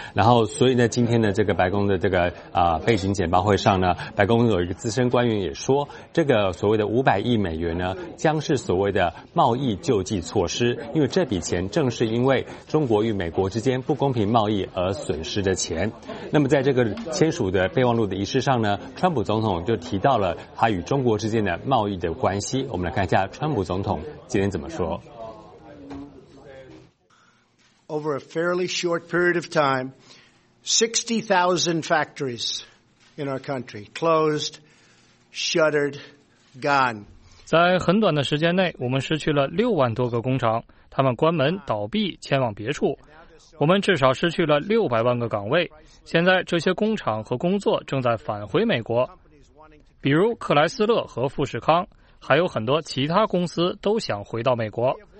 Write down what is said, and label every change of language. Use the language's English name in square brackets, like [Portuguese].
[Chinese] 然后所以在今天的这个白宫的这个背景简报会上呢，白宫有一个资深官员也说，这个所谓的500亿美元呢将是所谓的贸易救济措施，因为这笔钱正是因为中国与美国之间不公平贸易而损失的钱。那么在这个签署的备忘录的仪式上呢，川普总统就提到了他与中国之间的贸易的关系。我们来看一下川普总统今天怎么说。 [English] Over a fairly short period of time, 60,000 factories in our country closed, shuttered, gone. [Chinese] 在很短的时间内，我们失去了60,000多个工厂，他们关门倒闭迁往别处。我们至少失去了600,000个岗位。现在这些工厂和工作正在返回美国，比如克莱斯勒和富士康，还有很多其他公司都想回到美国。